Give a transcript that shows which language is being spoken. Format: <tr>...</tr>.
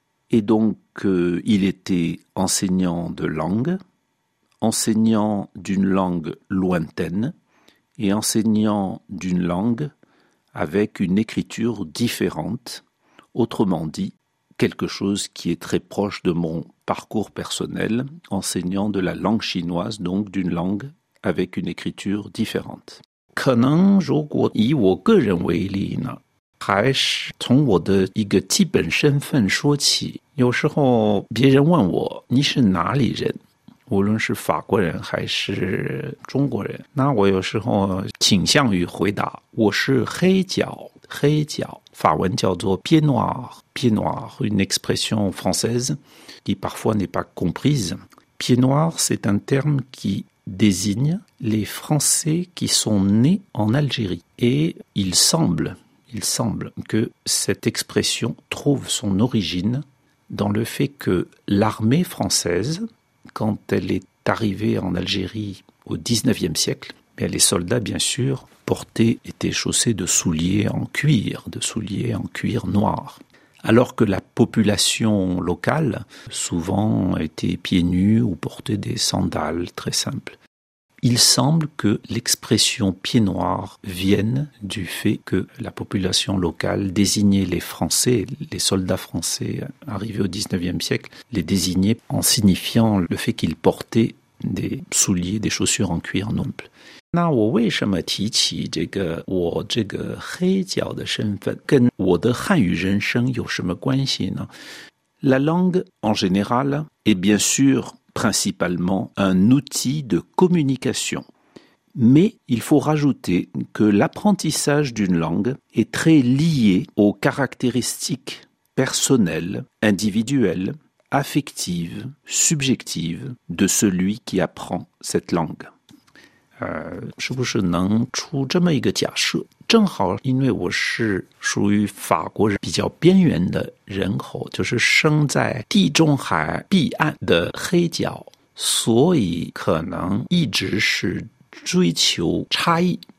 <fr>Et donc, il était enseignant de langue, enseignant d'une langue lointaine et enseignant d'une langue avec une écriture différente. Autrement dit, quelque chose qui est très proche de monparcours personnel, enseignant de la langue chinoise, donc d'une langue avec une écriture différente.</fr> <zh>可能如果以我个人为例呢，还是从我的一个基本身份说起。有时候别人问我，你是哪里人？无论是法国人还是中国人，那我有时候倾向于回答，我是黑脚。黑脚法文叫做</zh> <fr>pied noir，pied noir une expression française qui parfois n'est pas comprise. Pied noir c'est un terme qui désigne les Français qui sont nés en Algérie. Et il semble que cette expression trouve son origine dans le fait que l'armée française, quand elle est arrivée en Algérie au 19e siècle, mais les soldats bien sûr portaient, étaient chaussés de souliers en cuir noir. Alors que la population locale souvent était pieds nus ou portait des sandales très simples. Il semble que l'expression « pieds noirs » vienne du fait que la population locale désignait les Français, les soldats français arrivés au XIXe siècle, les désignait en signifiant le fait qu'ils portaient des souliers, des chaussures en cuir noble.</fr> <zh>那我为什么提起这个我这个黑脚的身份跟我的汉语人生有什么关系呢？</zh> <fr>La langue, en général, est bien sûr principalement un outil de communication. Mais il faut rajouter que l'apprentissage d'une langue est très lié aux caractéristiques personnelles, individuelles, affectives, subjectives de celui qui apprend cette langue.</fr> <zh>是不是能出这么一个假设？正好因为我是属于法国人比较边缘的人口，就是生在地中海彼岸的黑脚，所以可能一直是追求差异。</zh>